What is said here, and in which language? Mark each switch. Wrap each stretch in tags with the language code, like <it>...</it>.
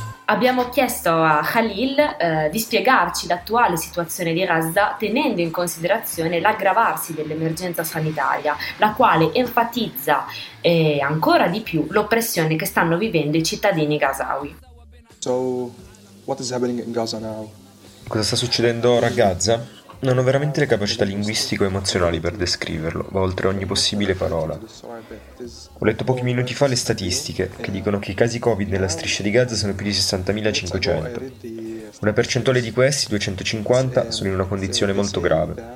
<it>Abbiamo chiesto a Khalil di spiegarci l'attuale situazione di Gaza tenendo in considerazione l'aggravarsi dell'emergenza sanitaria, la quale enfatizza ancora di più l'oppressione che stanno vivendo i cittadini gazawi.</it> <en>So, what is happening in Gaza now?</en> <it>Cosa sta succedendo ora a Gaza? Non ho veramente le capacità linguistico-emozionali per descriverlo, va oltre ogni possibile parola. Ho letto pochi minuti fa le statistiche, che dicono che i casi Covid nella striscia di Gaza sono più di 60.500. Una percentuale di questi, 250, sono in una condizione molto grave.</it>